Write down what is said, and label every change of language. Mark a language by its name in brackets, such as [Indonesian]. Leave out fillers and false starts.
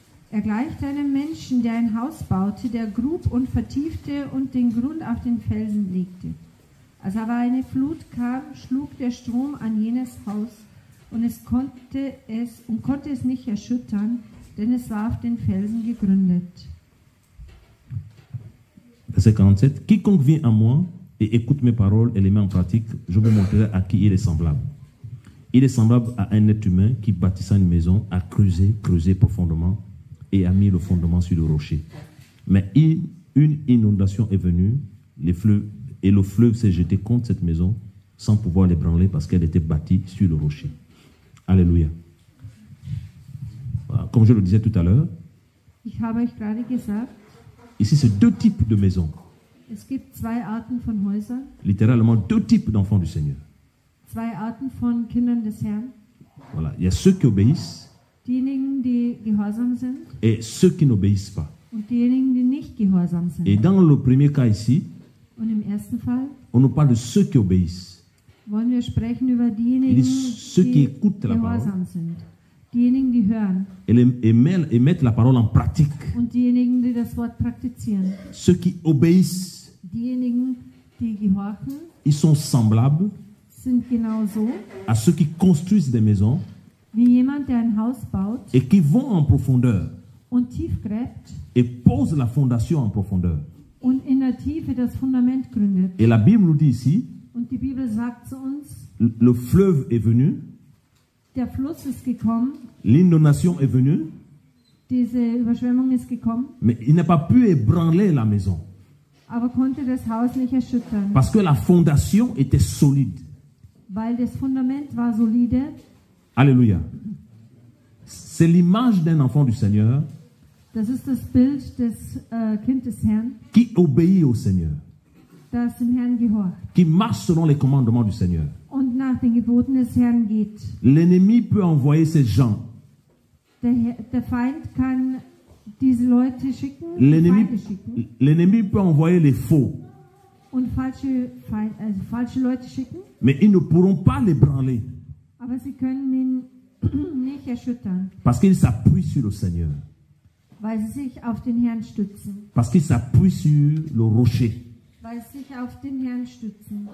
[German] Er gleicht einem Menschen, der ein Haus baute, der grub und vertiefte und den Grund auf den Felsen legte. Als aber eine Flut kam, schlug der Strom an jenes Haus. Und konnte es nicht erschüttern, denn es war auf den Felsen gegründet. [French] Verset 47. Quiconque vient à moi et écoute mes paroles et les met en pratique, je vous montrerai à qui il est semblable. Il est semblable à un être humain qui, bâtissant une maison, a creusé profondément et a mis le fondement sur le rocher. Mais une inondation est venue, le fleuve s'est jeté contre cette maison sans pouvoir l'ébranler parce qu'elle était bâtie sur le rocher. Alléluia. Voilà. Comme je le disais tout à l'heure, [German] ich habe euch gerade gesagt, [French] ici c'est deux types de maisons. [German] Es gibt zwei Arten von Häusern, [French] littéralement deux types d'enfants du Seigneur. [German] Zwei Arten von Kindern des Herrn. [French] Voilà. Il y a ceux qui obéissent, [German] diejenigen, die gehorsam sind, [French] et ceux qui n'obéissent pas. [German] Und diejenigen, die nicht gehorsam sind. [French] Et dans le premier cas ici, [German] und im ersten Fall, [French] on nous parle de ceux qui obéissent. [German] Wollen wir sprechen über diejenigen, die gehorsam sind, diejenigen, die hören, [French] et mettre la parole en pratique, [German] und diejenigen, die das Wort praktizieren, [French] ceux qui obéissent, [German] diejenigen, die gehorchen, [French] ils sont semblables, [German] sind genauso, [French] à ceux qui construisent des maisons, [German] wie jemand, der ein Haus baut, [French] et qui vont en profondeur, [German] und tief gräbt, [French] et pose la fondation en profondeur, [German] und in der Tiefe das Fundament gründet. [French] Et la Bible nous dit ici. [German] Und die Bibel sagt zu uns, [French] le fleuve est venu, [German] der Fluss ist gekommen, [French] l'inondation est venue, [German] diese Überschwemmung ist gekommen, [French] mais il n'a pas pu ébranler la maison, [German] aber konnte das Haus nicht erschüttern, [French] parce que la fondation était solide, [German] weil das Fundament war solide, Alléluia. [French] C'est l'image d'un enfant du Seigneur. [German] Das ist das Bild des Kind des Herrn. [French] Qui obéit au Seigneur. [German] Das dem Herrn gehorcht. [French] Qui marche selon les commandements du Seigneur. [German] Und nach den Geboten des Herrn geht. [French] L'ennemi peut envoyer ses gens. [German] Der Feind kann diese Leute schicken. [French] L'ennemi peut envoyer les faux. [German] Und falsche Leute schicken. [French] Mais ils ne pourront pas les branler. [German] Aber sie können ihn nicht erschüttern. [French] Parce qu'ils s'appuient sur le Seigneur. [German] Weil sie sich auf den Herrn stützen. [French] Parce qu'ils s'appuient sur le rocher. [German] Weil sie sich auf den Herrn stützen.